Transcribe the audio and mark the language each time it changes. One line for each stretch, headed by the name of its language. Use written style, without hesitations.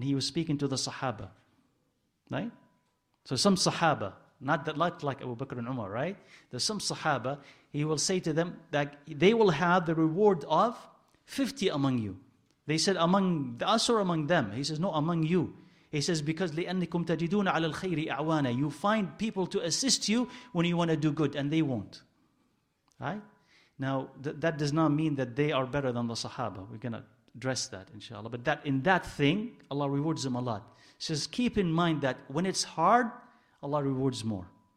English: And he was speaking to the sahaba, right? So some sahaba, not that like Abu Bakr and Umar, right? There's some sahaba, he will say to them that they will have the reward of 50 among you. They said, among us or among them? He says, no, among you. He says, because
Arabic: لِأَنِّكُمْ تَجِدُونَ عَلَى الْخَيْرِ أَعْوَانَ.
English: You find people to assist you when you want to do good, and they won't. Right? Now, that does not mean that they are better than the Sahaba. We're going to address that, inshallah. But that in that thing, Allah rewards them a lot. He says, keep in mind that when it's hard, Allah rewards more.